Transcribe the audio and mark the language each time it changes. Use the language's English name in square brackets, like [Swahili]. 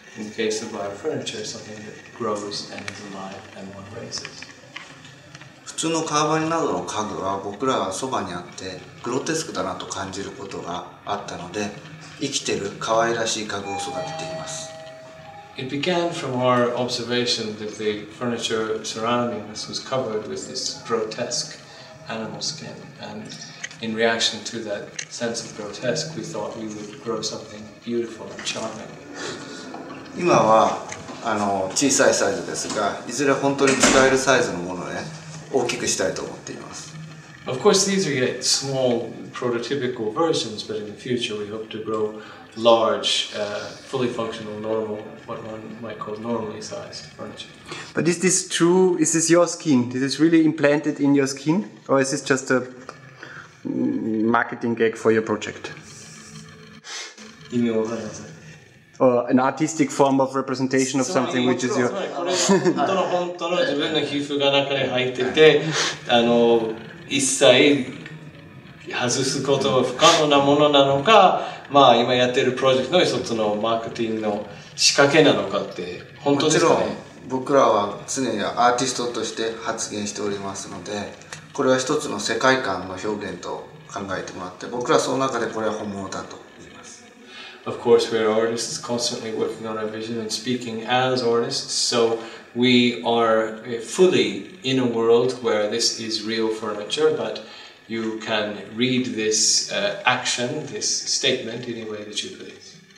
[English] In the case of our furniture, something that grows and is alive and one raises. [Japanese] 普通の革張りなどの家具は僕らはそばにあってグロテスクだなと感じることがあったので生きてる可愛らしい家具を育てています。 [English] It began from our observation that the furniture surrounding us was covered with this grotesque animal skin. And in reaction to that sense of grotesque, we thought we would grow something beautiful and charming. [Japanese] 今は小さいサイズですが、いずれ本当に使えるサイズのものをね、大きくしたいと思っています。 [English] Of course, these are yet small prototypical versions, but in the future we hope to grow large, fully functional, normal, what one might call normally sized furniture. But is this true? Is this your skin? Is this really implanted in your skin? Or is this just a marketing gag for your project? In your hands. Or an artistic form of representation of something which is your. [Japanese] これは本当の自分の皮膚が中に入ってて、一切外すことは不可能なものなのか、まあ今やってるプロジェクトの一つのマーケティングの仕掛けなのかって本当ですかね。もちろん僕らは常にアーティストとして発言しておりますので、これは一つの世界観の表現と考えてもらって、僕らはその中でこれは本物だと。 [English] Of course, we are artists constantly working on our vision and speaking as artists, so we are fully in a world where this is real furniture, but you can read this action, this statement, any way that you please.